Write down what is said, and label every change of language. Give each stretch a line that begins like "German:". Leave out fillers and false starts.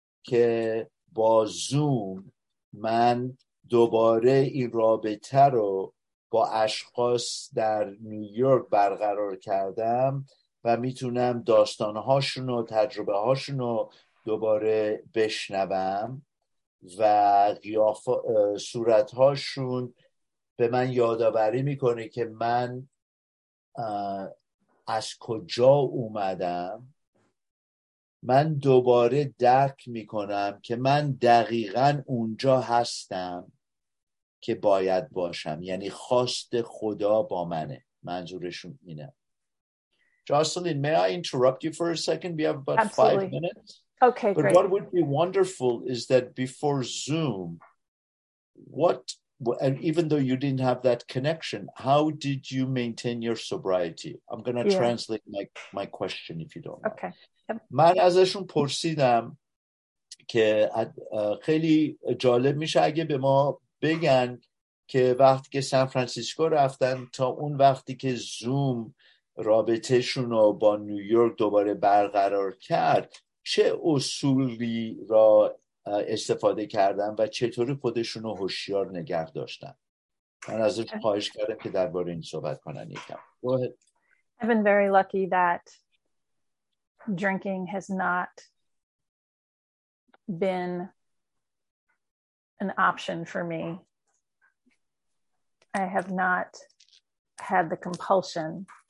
Persian: که با زوم من دوباره این رابطه رو با اشخاص در نیویورک برقرار کردم و میتونم داستانهاشون و تجربه هاشون رو دوباره بشنوم و صورتهاشون به من یادآوری میکنه که من از کجا اومدم. من دوباره درک میکنم که من دقیقا اونجا هستم که باید باشم، یعنی خواست خدا با منه. منظورشون اینه.
English: Jocelyn, may I interrupt you for a second? We have about 5 minutes. Okay, but great. What would be wonderful is that before Zoom, what, and even though you didn't have that connection, how did you maintain your sobriety? I'm going to translate my question if you don't mind. Okay.
Persian: من ازشون پرسیدم که خیلی جالب میشه اگه به ما بگن که وقتی که سان فرانسیسکو رفتن تا اون وقتی که زوم رابطه شون رو با نیویورک دوباره برقرار کرد چه اصولی را استفاده کردن و چطوری خودشون رو هوشیار نگه داشتن. من ازش خواهش کردم که درباره این صحبت کنن یکم.
English: Go ahead. I've been very lucky that drinking has not been an option for me. I have not had the compulsion.